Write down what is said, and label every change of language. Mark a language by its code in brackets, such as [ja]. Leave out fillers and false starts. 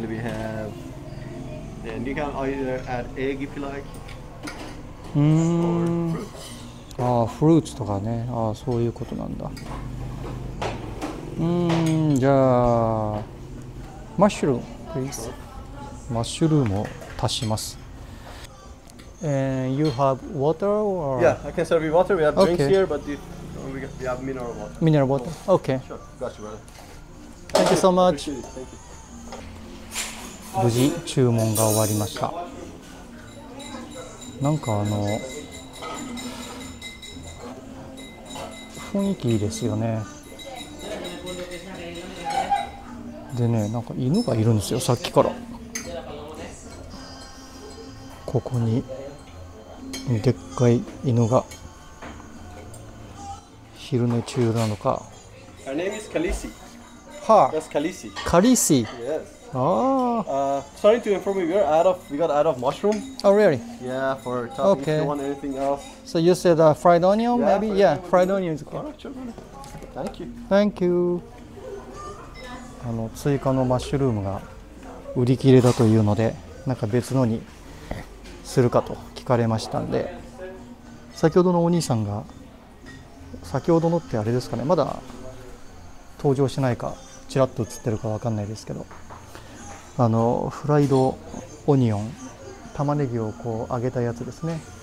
[en] We have, and you can either add egg if you like, or fruits. [ja] ああ、フルーツとかね。ああ、そういうことなんだ。じゃあ、マッシュルーム、 [en] please。 [ja] マッシュルームを足します。 [en] You have water or? Yeah, I can serve you water. We have drinks Okay. here, but we have mineral water. Mineral water. Oh, Okay. sure. Got you, brother. Thank you so much. Appreciate it. Thank you. [ja] 無事注文が終わりました。なんか雰囲気いいですよね。でね、なんか犬がいるんですよ、さっきから。ここにでっかい犬が昼寝中なのか。 [en] Her name is Khaleesi. Her? That's Khaleesi. Khaleesi? Yes. Ah. Sorry to inform you, we got out of mushroom. Oh, really? Yeah, for topping. Okay. If you want anything else. So you said fried onion, yeah, maybe? Yeah, fried onion is good. All right, sure. Thank you. Thank you. [ja] 追加のマッシュルームが売り切れだというので、なんか別のにするかと聞かれましたんで、先ほどのお兄さんが、先ほどのってあれですかね、まだ登場してないか、ちらっと映ってるか分かんないですけど、フライドオニオン、玉ねぎをこう揚げたやつですね、